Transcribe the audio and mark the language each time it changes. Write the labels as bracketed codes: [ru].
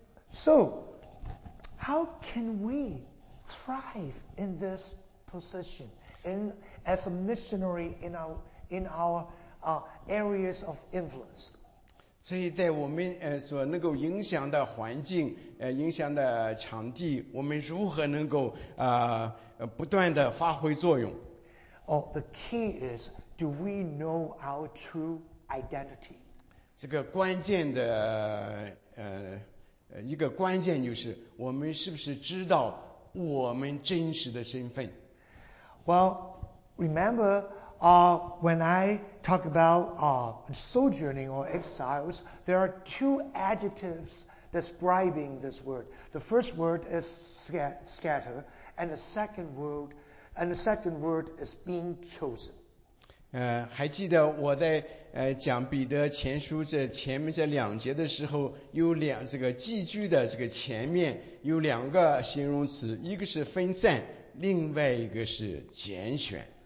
[en] So, how can we thrive in this position, as a missionary in our areas of influence? [zh] 所以在我们所能够影响的环境影响的场地，我们如何能够不断的发挥作用？ [en] Oh, the key is, do we know our true identity? [zh] 这个关键的一个关键就是我们是不是知道我们真实的身份。 [en] Well, remember, when I talk about sojourning or exiles, there are two adjectives describing this word. The first word is scatter, and the second word is being chosen. [zh] 还记得我在讲彼得前书这前面这两节的时候，有两这个寄居的这个前面有两个形容词，一个是分散，另外一个是拣选。